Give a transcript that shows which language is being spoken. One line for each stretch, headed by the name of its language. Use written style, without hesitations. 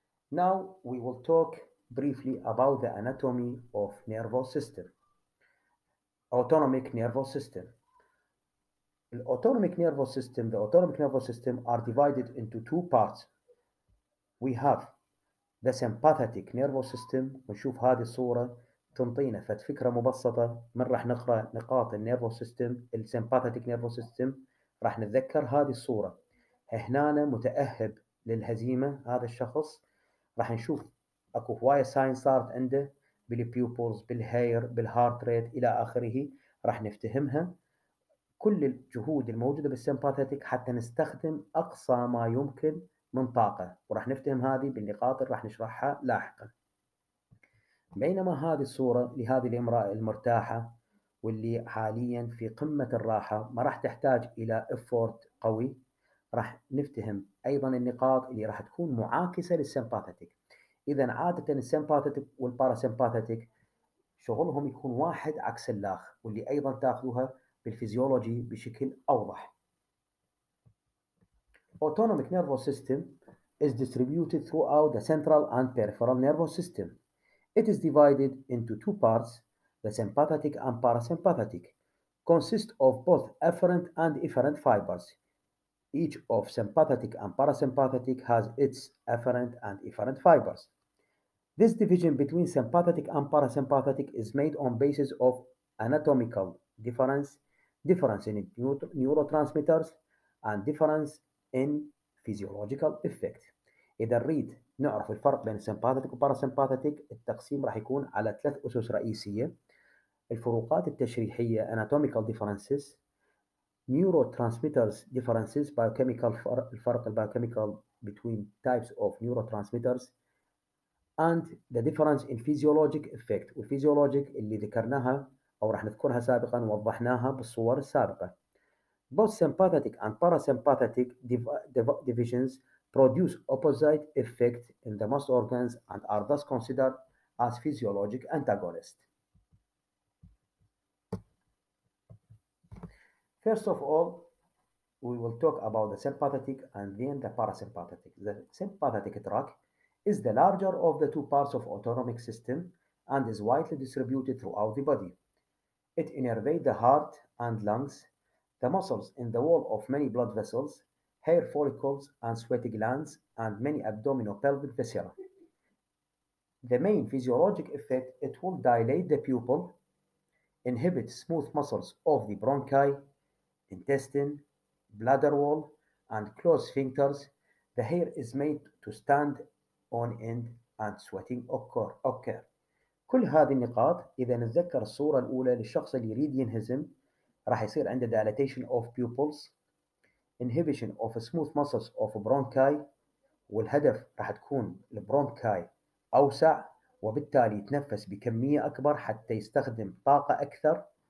English: Now we will talk briefly about the anatomy of nervous system, autonomic nervous system. The autonomic nervous system are divided into two parts. We have the sympathetic nervous system.
Arabic: نشوف هذه الصورة تنطينا فكرة مبسطة من راح نقرأ نقاط النيرفو سيستم. السيمباثيتك نيرفو سيستم راح نتذكر هذه الصورة هنا متأهب للهزيمة هذا الشخص. راح نشوف اكو هواية ساين صارت عنده بالبيوبولز بالهير بالهارت ريت الى اخره. راح نفتهمها كل الجهود الموجودة بالسيمباثيتك حتى نستخدم اقصى ما يمكن من طاقة, وراح نفتهم هذه بالنقاط اللي راح نشرحها لاحقا. بينما هذه الصورة لهذه الامرأة المرتاحة واللي حاليا في قمة الراحة ما راح تحتاج الى افورت قوي, راح نفتهم ايضا النقاط اللي راح تكون معاكسة للسيمباثيتك. اذا عادة السيمباثيتك والباراسيمباثيتك شغلهم يكون واحد عكس الاخ, واللي ايضا تاخذوها بالفيزيولوجي بشكل اوضح.
English: Autonomic nervous system is distributed throughout the central and peripheral nervous system. It is divided into two parts, the sympathetic and parasympathetic, consist of both efferent and efferent fibers. Each of sympathetic and parasympathetic has its efferent and efferent fibers. This division between sympathetic and parasympathetic is made on basis of anatomical difference in neurotransmitters, and difference in physiological effect.
Arabic: إذا نريد نعرف الفرق بين
English: sympathetic و parasympathetic,
Arabic: التقسيم راح يكون على ثلاث أسس رئيسية: الفروقات التشريحية
English: anatomical differences, neurotransmitters differences biochemical,
Arabic: الفرق
English: biochemical between types of neurotransmitters, and the difference in physiologic effect.
Arabic: والphysiologic اللي ذكرناها أو راح نذكرها سابقا ووضحناها بالصور السابقة.
English: Both sympathetic and parasympathetic divisions produce opposite effect in the muscle organs and are thus considered as physiologic antagonists. First of all, we will talk about the sympathetic and then the parasympathetic. The sympathetic tract is the larger of the two parts of autonomic system and is widely distributed throughout the body. It innervates the heart and lungs, the muscles in the wall of many blood vessels, hair follicles and sweaty glands, and many abdominopelvic viscera. The main physiologic effect, it will dilate the pupil, inhibit smooth muscles of the bronchi, intestine, bladder wall, and close sphincters. The hair is made to stand on end and sweating occur.
Arabic: كل هذه النقاط, إذا نتذكر الصورة الأولى للشخص اللي يريد ينهزم, راح يصير عنده
English: dilatation of pupils, inhibition of smooth muscles of bronchi,
Arabic: والهدف راح تكون البرونكاي أوسع وبالتالي يتنفس بكمية أكبر حتى يستخدم طاقة أكثر,